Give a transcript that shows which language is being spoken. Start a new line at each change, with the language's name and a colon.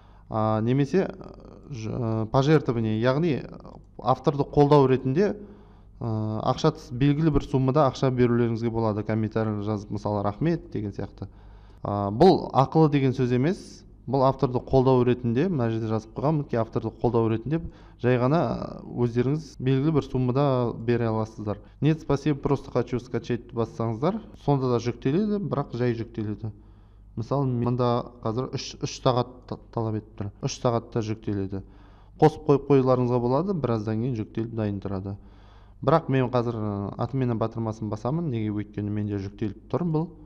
Kazakh: Немесе пожертвование, яғни авторды қолдау ретінде ақша белгілі бір суммада ақша берулеріңізге болады. Комментарий жазып, мысалы, рахмет деген сияқты. Бұл ақылы деген сөз емес. Бұл авторды қолдау ретінде, мына жерде жазып қойған, мінекей авторды қолдау ретінде жай ғана өздеріңіз белгілі бір суммада бере аласыздар.
Russian: Нет, спасибо, просто хочу скачать бассаңыздар.
Kazakh: Сонда да жүктеледі, бірақ жай жүктеледі. Мысалы, мында қазір 3 сағат талап етіп тұр. 3 сағатта жүктеледі. Қосып қойып қойларыңызға болады, біраздан кейін жүктеліп дайын тұрады. Бірақ мен қазір админ батырмасын басамын, неге? Өйткені менде жүктеліп тұр бұл.